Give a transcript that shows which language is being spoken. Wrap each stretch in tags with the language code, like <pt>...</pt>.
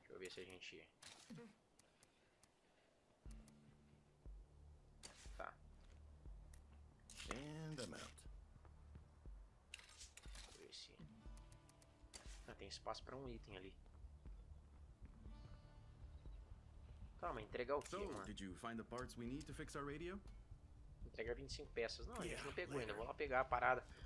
<pt>se a gente... Tá.</pt> <en>And I'm out.</en> <pt>Esse... Ah, tem espaço pra um item ali. Calma, entregar o quê, mano?</pt> <en>Did you find the parts we need to fix our radio?</en> <pt>Entregar 25 peças. Não, a gente não pegou ainda. Vou lá pegar a parada.</pt>